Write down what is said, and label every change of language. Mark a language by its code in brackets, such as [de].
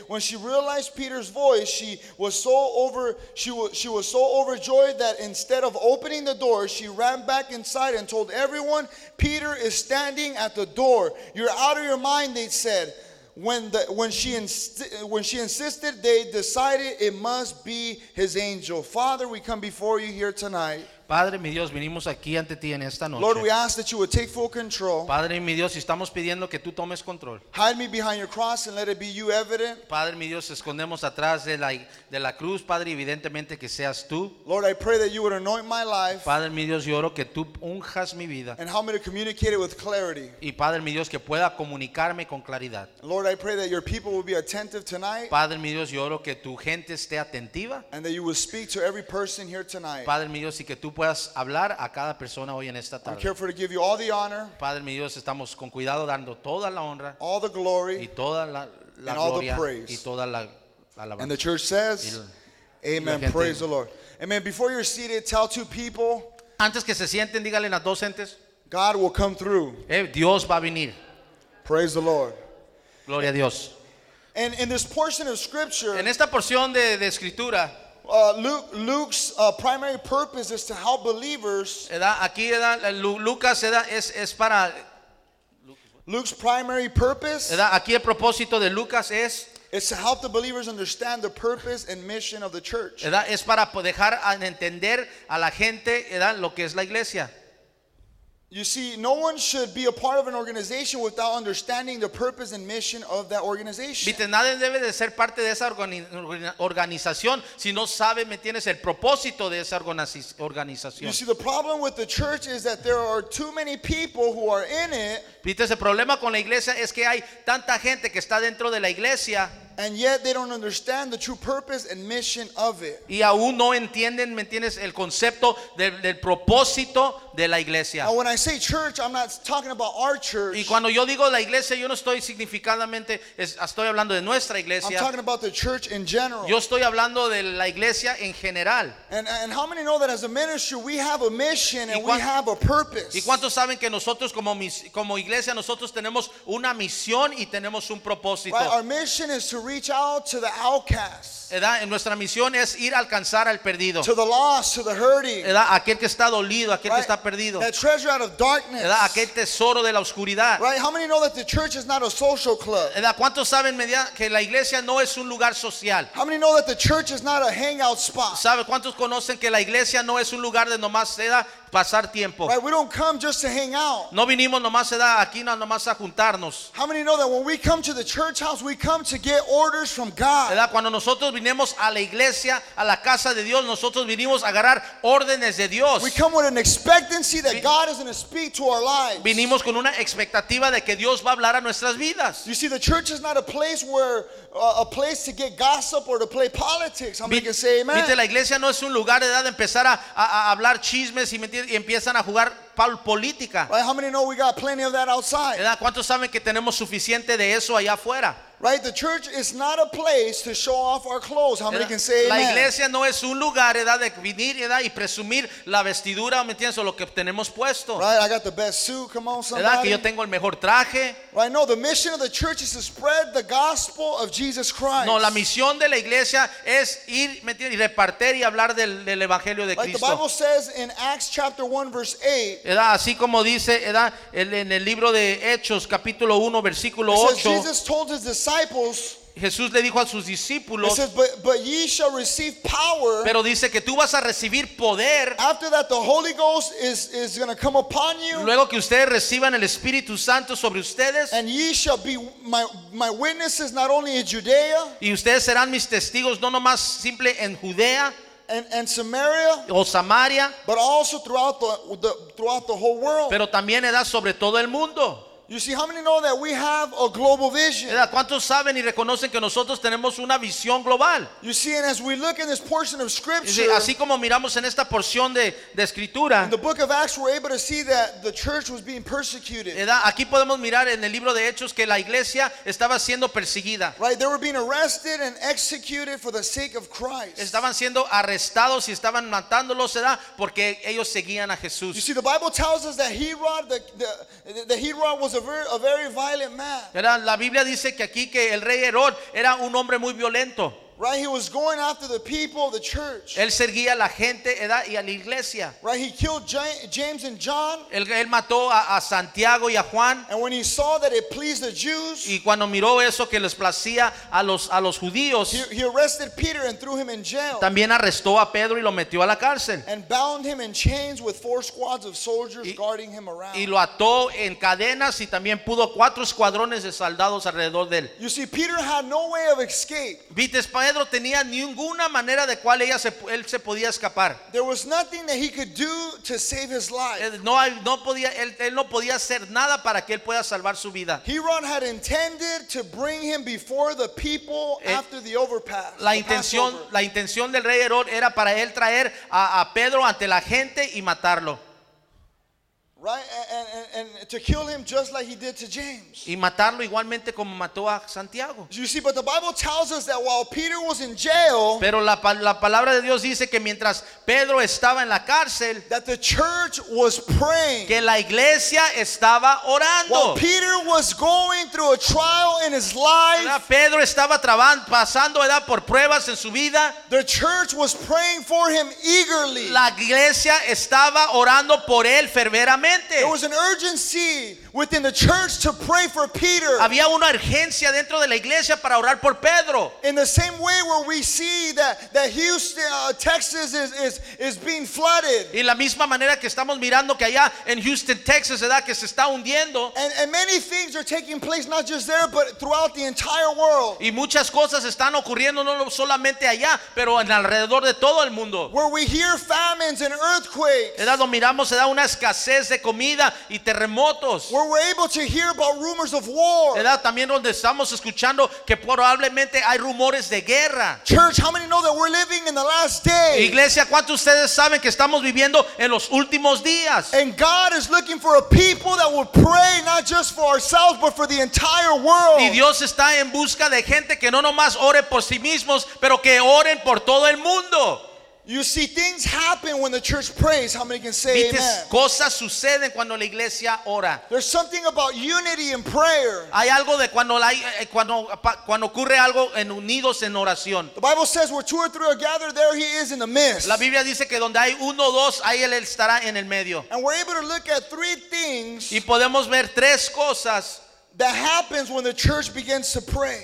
[en] When she realized Peter's voice, she was so overjoyed that instead of opening the door, she ran back inside and told everyone, "Peter is standing at the door." "You're out of your mind," they said. When she insisted, they decided it must be his angel. Father, we come before you here tonight. [es] Padre, mi Dios, venimos aquí ante ti en esta noche. [en] Lord, we ask that you would take full control. [es] Padre, mi Dios, estamos pidiendo que tú tomes control. [en] Hide me behind your cross and let it be you evident. [es] Padre, mi Dios, escondemos atrás de la cruz, Padre, evidentemente que seas tú. [en] Lord, I pray that you would anoint my life. [es] Padre, mi Dios, yo oro que tú unjas mi vida. [en] And help me to communicate it with clarity. [es] Y Padre, mi Dios, que pueda comunicarme con claridad. [en] Lord, I pray that your people will be attentive tonight. [es] Padre, mi Dios, yo oro que tu gente esté atentiva. [en] And that you will speak to every person here tonight. [es] Padre, mi Dios, y que tú puedas hablar a cada persona hoy en esta tarde. [en] I'm careful to give you all the honor, [es] Padre mi Dios, estamos con cuidado dando toda la honra, [en] all the glory, [es] y toda la [en] and [es] gloria, [en] all the praise. [es] Y toda la alabanza. [en] And the church says, amen, praise the Lord. Amen, before you're seated, tell two people, [es] antes que se sienten, dígale a las dos gentes, [en] God will come through. [es] Dios va a venir. [en] Praise the Lord. [es] Gloria a Dios. [en] And in this portion of scripture, [es] en esta porción de escritura, [en] Luke's primary purpose is to help believers. Luke's primary purpose. [es] Aquí el propósito de Lucas es. [en] It's to help the believers understand the purpose and mission of the church. [es] Es para dejar entender a la gente lo que es la iglesia. [en] You see, no one should be a part of an organization without understanding the purpose and mission of that organization. [es] Viste, nadie debe de ser parte de esa organización si no sabe, me tienes, el propósito de esa organización. [en] You see, the problem with the church is that there are too many people who are in it. [es] Viste, el problema con la iglesia es que hay tanta gente que está dentro de la iglesia. [en] And yet they don't understand the true purpose and mission of it. [es] Y aún no entienden, ¿me entiendes?, el concepto del propósito de la iglesia. [en] And when I say church, I'm not talking about our church. [es] Y cuando yo digo la iglesia, yo no estoy significadamente, estoy hablando de nuestra iglesia. [en] I'm talking about the church in general. [es] Yo estoy hablando de la iglesia en general. [en] And how many know that as a ministry, we have a mission and we have a purpose? [es] ¿Y cuántos saben que nosotros como iglesia, nosotros tenemos una misión y tenemos un propósito? [en] Right? Our mission is to reach out to the outcast. [es] En nuestra misión es ir a alcanzar al perdido. [en] To the lost, to the hurting. [es] Aquel que está dolido, aquel que está perdido. [en] That treasure out of darkness. [es] Aquel tesoro de la oscuridad. [en] Right? How many know that the church is not a social club? [es] ¿Cuántos saben que la iglesia no es un lugar social? [en] How many know that the church is not a hangout spot? [es] ¿Sabe cuántos conocen que la iglesia no es un lugar de nomás pasar tiempo? [en] Right? We don't come just to hang out. [es] No vinimos nomás aquí nomás a juntarnos. [en] How many know that when we come to the church house, we come to get orders from God? [es] Cuando nosotros vinimos a la iglesia, a la casa de Dios, nosotros vinimos a agarrar órdenes de Dios. [en] We come with an expectancy that God is going to speak to our lives. [es] Vinimos con una expectativa de que Dios va a hablar a nuestras vidas. [en] You see, the church is not a place where a place to get gossip or to play politics. I'm going to say amen. [es] Viste, la iglesia no es un lugar de empezar a hablar chismes y empiezan a jugar política. [en] Right, how many know we got plenty of that outside? [es] ¿Cuántos saben que tenemos suficiente de eso allá afuera? [en] Right, the church is not a place to show off our clothes. How many can say amen? [es] La iglesia no es un lugar, de venir, y presumir la vestidura, ¿me entiendes?, o lo que tenemos puesto. [en] Right, I got the best suit. Come on, somebody. [es] Que yo tengo el mejor traje. [en] Right, no, the mission of the church is to spread the gospel of Jesus Christ. [es] No, la misión de la iglesia es ir, ¿me entiendes?, y repartir y hablar del evangelio de Cristo. [en] Right, the Bible says in Acts chapter 1 verse 8. [es] Así como dice en el libro de Hechos capítulo 1 versículo 8. [en] Jesus told his disciples. [es] Jesús le dijo a sus discípulos. [en] It says, but ye shall receive power. [es] Pero dice que tú vas a recibir poder. [en] After that, the Holy Ghost is going to come upon you. [es] Luego que ustedes reciban el Espíritu Santo sobre ustedes. [en] And ye shall be my witnesses not only in Judea. [es] Y ustedes serán mis testigos no nomás simple en Judea. [en] And Samaria, [es] o Samaria, [en] but also throughout the whole world. [es] Pero también era sobre todo el mundo. [en] You see, how many know that we have a global vision? [es] ¿Cuántos saben y reconocen que nosotros tenemos una visión global? [en] You see, and as we look in this portion of Scripture, [es] así como miramos en esta porción de Escritura, [en] in the book of Acts, we're able to see that the church was being persecuted. [es] Aquí podemos mirar en el libro de Hechos que la iglesia estaba siendo perseguida. [en] Right, they were being arrested and executed for the sake of Christ. [es] Estaban siendo arrestados y estaban matándolos, porque ellos seguían a Jesús. [en] You see, the Bible tells us that Herod, Herod was a very violent man. [es] La Biblia dice que aquí que el rey Herod era un hombre muy violento. [en] Right, he was going after the people, the church. [es] Él seguía a la gente, y a la iglesia. [en] Right, he killed James and John. [es] Él mató a Santiago y a Juan. [en] And when he saw that it pleased the Jews, [es] y cuando miró eso que les placía a los judíos, [en] he arrested Peter and threw him in jail. [es] También arrestó a Pedro y lo metió a la cárcel. [en] And bound him in chains with four squads of soldiers guarding him around. [es] Y lo ató en cadenas y también pudo cuatro escuadrones de soldados alrededor de él. [en] You see, Peter had no way of escape. [es] Pedro tenía ninguna manera de cual él se podía escapar. [en] There was nothing that he could do to save his life. [es] Él no podía hacer nada para que él pueda salvar su vida. [en] Herod had intended to bring him before the people after the overpass. [es] La intención del rey Herod era para él traer a Pedro ante la gente y matarlo. [en] Right, and to kill him just like he did to James. [es] Y matarlo igualmente como mató a Santiago. [en] You see, but the Bible tells us that while Peter was in jail. [es] Pero la palabra de Dios dice que mientras Pedro estaba en la cárcel. [en] That the church was praying. [es] Que la iglesia estaba orando. [en] While Peter was going through a trial in his life. [es] Pedro estaba pasando por pruebas en su vida. [en] The church was praying for him eagerly. [es] La iglesia estaba orando por él fervientemente. [en] There was an urgency within the church to pray for Peter. [es] Había una urgencia dentro de la iglesia para orar por Pedro. [en] In the same way where we see that Houston, Texas is being flooded. [es] Y la misma manera que estamos mirando que allá en Houston, Texas, ¿verdad? Que se está hundiendo. [en] And many things are taking place not just there but throughout the entire world. [es] Y muchas cosas están ocurriendo no solamente allá, pero en alrededor de todo el mundo. [en] Where we hear famines and earthquakes. [es] ¿Verdad? Donde miramos se da una escasez de comida y terremotos. [en] Where we're able to hear about rumors of war. [es] ¿Verdad? También donde estamos escuchando que probablemente hay rumores de guerra. [en] Church, how many know that we're living in the last day? [es] Iglesia, ¿cuántos ustedes saben que estamos viviendo en los últimos días? [en] And God is looking for a people that will pray not just for ourselves but for the entire world. [es] Y Dios está en busca de gente que no nomás ore por sí mismos, pero que oren por todo el mundo. [en] You see, things happen when the church prays. How many can say amen? [es] Cosas suceden cuando la iglesia ora. [en] There's something about unity in prayer. [es] Hay algo de cuando ocurre algo en unidos en oración. [en] The Bible says, "Where two or three are gathered, there He is in the midst." [es] La Biblia dice que donde hay uno o dos, ahí él estará en el medio. [en] And we're able to look at three things. [es] Y podemos ver tres cosas. [en] That happens when the church begins to pray.